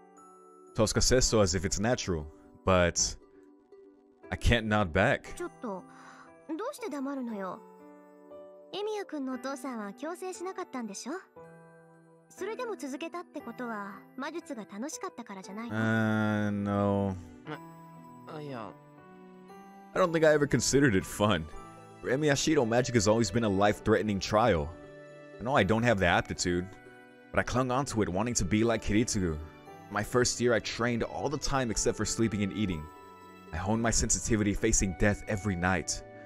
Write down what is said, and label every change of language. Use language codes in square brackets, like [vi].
[en] says so as if it's natural, but I can't nod back. [ja] ちょっと、どうして黙るのよ?エミヤ君のお父さんは強制しなかったんでしょ?それでも続けたってことは魔術が楽しかったからじゃないの? [en] No. I don't think I ever considered it fun. For Emiya Shiro, magic has always been a life-threatening trial. I know I don't have the aptitude, but I clung onto it wanting to be like Kiritsugu. My first year, I trained all the time except for sleeping and eating. I honed my sensitivity facing death every night.